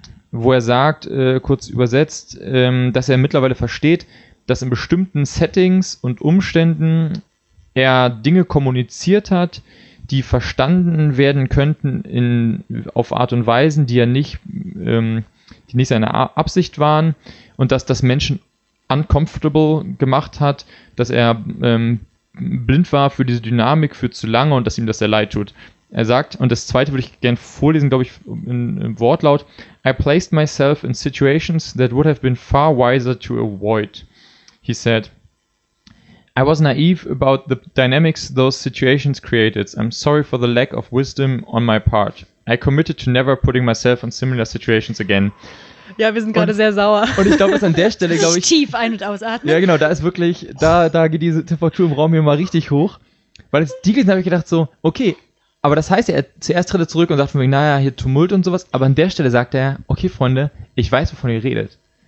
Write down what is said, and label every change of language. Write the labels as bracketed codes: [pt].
[de] Wo er sagt, kurz übersetzt, dass er mittlerweile versteht, dass in bestimmten Settings und Umständen er Dinge kommuniziert hat, die verstanden werden könnten auf Art und Weisen, die ja nicht, die nicht seine Absicht waren und dass das Menschen uncomfortable gemacht hat, dass er blind war für diese Dynamik für zu lange und dass ihm das sehr leid tut. [en] Er sagt, und das zweite würde ich gerne vorlesen, glaube ich, im Wortlaut, I placed myself in situations that would have been far wiser to avoid, he said. I was naive about the dynamics those situations created. I'm sorry for the lack of wisdom on my part. I committed to never putting myself in similar situations again. [de] Ja, wir sind gerade sehr sauer. Und ich glaube, es an der Stelle, glaube ich, tief ein- und ausatmen. Ja, genau, da ist wirklich, da geht diese Temperatur im Raum hier mal richtig hoch. Weil die gelesen habe ich gedacht so, okay, aber das heißt, er zuerst tritt er zurück und sagt von wegen, naja, hier Tumult und sowas. Aber an der Stelle sagt er, okay, Freunde, ich weiß, wovon ihr redet.